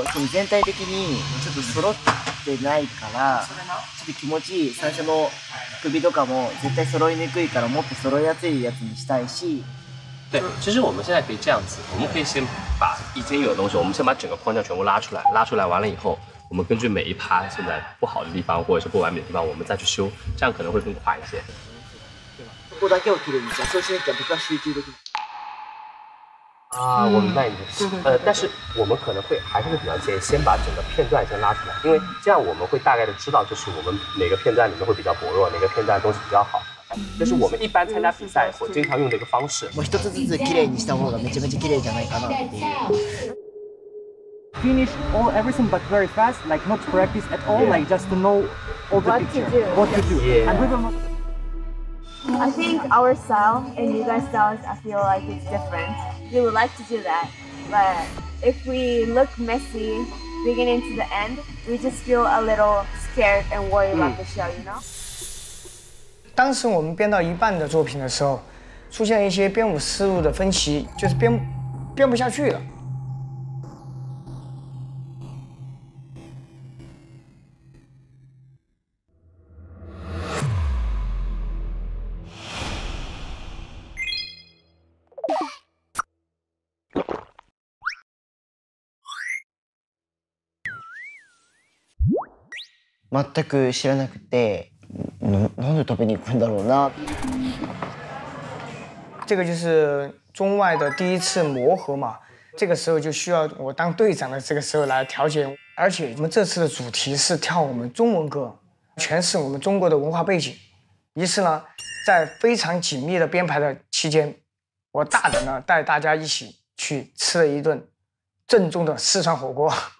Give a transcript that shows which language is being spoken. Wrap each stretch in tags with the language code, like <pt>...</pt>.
<ja>全体的にちょっと揃ってないから、ちょっと気持ちいい最初の首とかも絶対揃いにくいから、もっと揃いやすいやつにしたいし。</ja> <zh>对，其实我们现在可以这样子，我们可以先把已经有的东西，我们先把整个框架全部拉出来，拉出来完了以后，我们根据每一趴现在不好的地方或者是不完美的地方，我们再去修，这样可能会更快一些。</zh> <ja>そこだけを切るんじゃ、そうしないと僕は集中できない。</ja> <zh>啊，我明白你的意思。但是我们可能会还是会比较建议先把整个片段先拉出来，因为这样我们会大概的知道，就是我们哪个片段里面会比较薄弱，哪个片段东西比较好。这是我们一般参加比赛会经常用的一个方式。</zh> <ja>もう一つずつ綺麗にした方がめちゃめちゃ綺麗じゃないかなっていう。</ja> <en>Finish all everything, but very fast, like not practice at all, like just to know all the picture, what to do. I think our style and you guys' styles, I feel like it's different. We would like to do that, but if we look messy beginning to the end, we just feel a little scared and worried about the show, you know?</en> <zh>当时我们编到一半的作品的时候，出现了一些编舞思路的分歧，就是编不下去了。</zh> <ja>全く知らなくて、なんで食べに行くんだろうな。</ja> <zh>这个就是中外的第一次磨合嘛，这个时候就需要我当队长的这个时候来调节。而且我们这次的主题是跳我们中文歌，全是我们中国的文化背景。于是呢，在非常紧密的编排的期间，我大胆的带大家一起去吃了一顿正宗的四川火锅。</zh>